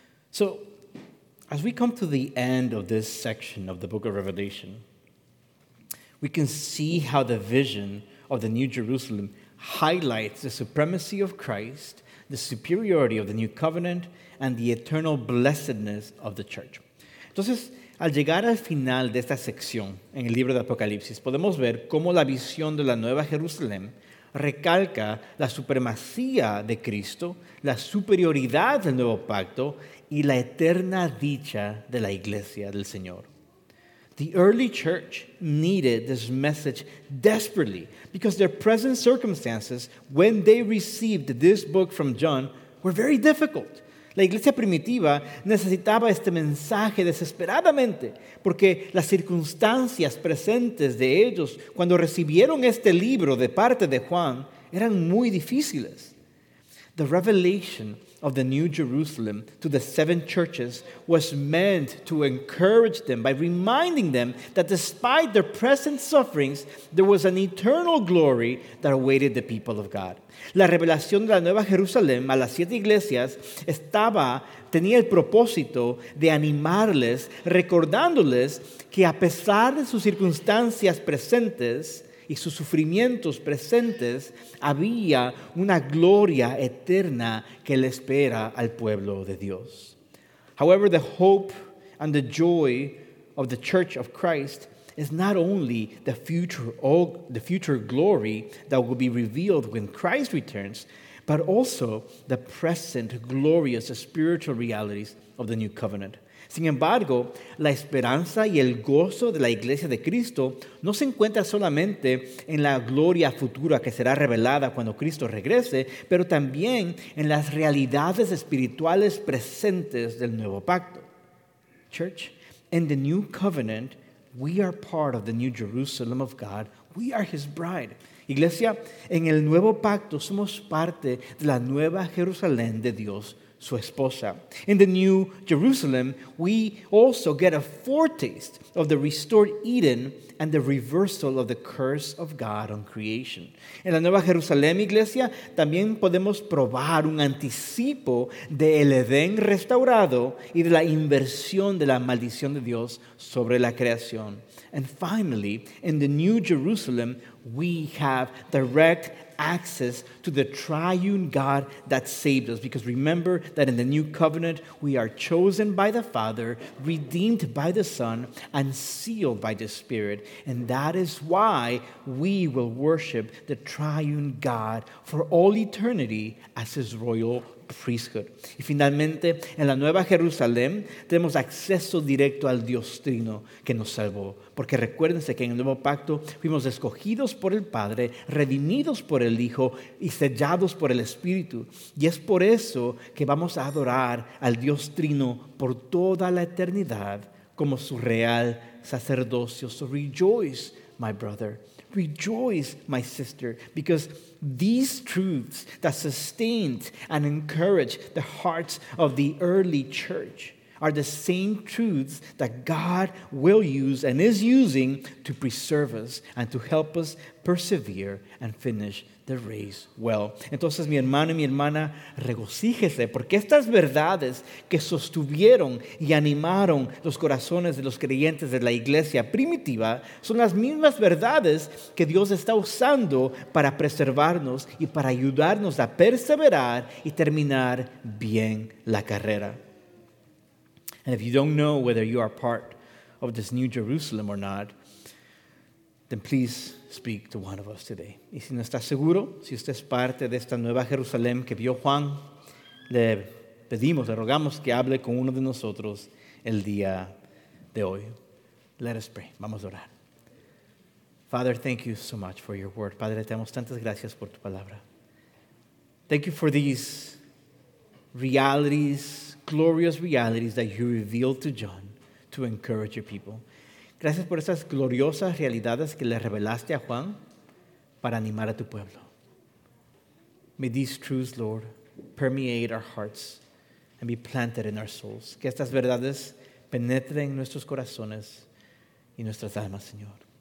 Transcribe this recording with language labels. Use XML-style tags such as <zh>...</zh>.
<en>So, as we come to the end of this section of the book of Revelation, we can see how the vision of the New Jerusalem highlights the supremacy of Christ, the superiority of the New Covenant, and the eternal blessedness of the church.</en> <es>Entonces, al llegar al final de esta sección en el libro de Apocalipsis, podemos ver cómo la visión de la Nueva Jerusalén recalca la supremacía de Cristo, la superioridad del Nuevo Pacto y la eterna dicha de la Iglesia del Señor.</es> <en>The early church needed this message desperately because their present circumstances when they received this book from John were very difficult.</en> <es>La iglesia primitiva necesitaba este mensaje desesperadamente porque las circunstancias presentes de ellos cuando recibieron este libro de parte de Juan eran muy difíciles.</es> <en>The revelation of the New Jerusalem to the seven churches was meant to encourage them by reminding them that despite their present sufferings, there was an eternal glory that awaited the people of God.</en> <es>La revelación de la Nueva Jerusalén a las siete iglesias tenía el propósito de animarles, recordándoles que a pesar de sus circunstancias presentes y sus sufrimientos presentes, había una gloria eterna que le espera al pueblo de Dios.</es> <en>However, the hope and the joy of the Church of Christ is not only the future glory that will be revealed when Christ returns, but also the present glorious spiritual realities of the New Covenant.</en> <es>Sin embargo, la esperanza y el gozo de la Iglesia de Cristo no se encuentra solamente en la gloria futura que será revelada cuando Cristo regrese, pero también en las realidades espirituales presentes del Nuevo Pacto.</es> <en>Church, in the New Covenant, we are part of the New Jerusalem of God. We are His bride.</en> <es>Iglesia, en el Nuevo Pacto somos parte de la Nueva Jerusalén de Dios, su esposa.</es> <en>In the New Jerusalem, we also get a foretaste of the restored Eden and the reversal of the curse of God on creation.</en> <es>En la Nueva Jerusalén, iglesia, también podemos probar un anticipo del Edén restaurado y de la inversión de la maldición de Dios sobre la creación.</es> <en>And finally, in the New Jerusalem, we have direct access to the triune God that saved us. Because remember that in the new covenant, we are chosen by the Father, redeemed by the Son, and sealed by the Spirit. And that is why we will worship the triune God for all eternity as his royal priesthood.</en> <es>Y finalmente, en la Nueva Jerusalén, tenemos acceso directo al Dios Trino que nos salvó. Porque recuérdense que en el Nuevo Pacto fuimos escogidos por el Padre, redimidos por el Hijo y sellados por el Espíritu. Y es por eso que vamos a adorar al Dios Trino por toda la eternidad como su real sacerdocio.</es> <en>So rejoice, my brother. Rejoice, my sister, because these truths that sustained and encouraged the hearts of the early church are the same truths that God will use and is using to preserve us and to help us persevere and finish the race well.</en> <es>Entonces, mi hermano y mi hermana, regocíjese, porque estas verdades que sostuvieron y animaron los corazones de los creyentes de la iglesia primitiva son las mismas verdades que Dios está usando para preservarnos y para ayudarnos a perseverar y terminar bien la carrera.</es> <en>And if you don't know whether you are part of this new Jerusalem or not, then please speak to one of us today.</en> <es>Y si no está seguro, si usted es parte de esta nueva Jerusalén que vio Juan, le pedimos, le rogamos que hable con uno de nosotros el día de hoy.</es> <en>Let us pray.</en> <es>Vamos a orar.</es> <en>Father, thank you so much for your word.</en> <es>Padre, te damos tantas gracias por tu palabra.</es> <en>Thank you for these realities, glorious realities that you revealed to John to encourage your people.</en> <es>Gracias por esas gloriosas realidades que le revelaste a Juan para animar a tu pueblo.</es> <en>May these truths, Lord, permeate our hearts and be planted in our souls.</en> <es>Que estas verdades penetren nuestros corazones y nuestras almas, Señor.</es>